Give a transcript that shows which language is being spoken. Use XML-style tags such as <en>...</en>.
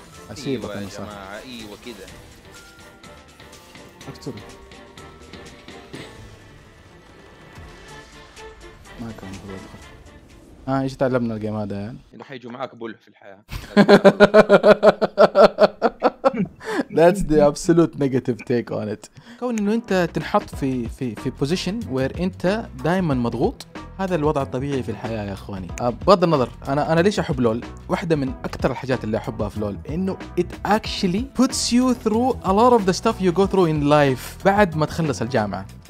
<ar>اسيبك يا جماعه. ايوه كده اكثر. ما كان المفروض ادخل. آه ايش تعلمنا الجيم هذا يعني؟ انه حيجوا معك بول في الحياه.</ar> <en>That's the absolute negative take on it.</en> <ar>كون انه انت تنحط في في في</ar> <en>position where</en> <ar>انت دائما مضغوط، هذا الوضع الطبيعي في الحياه يا اخواني. بغض النظر انا ليش احب لول، واحده من اكثر الحاجات اللي احبها في لول انه</ar> <en>it actually puts you through a lot of the stuff you go through in life</en> <ar>بعد ما تخلص الجامعه.</ar>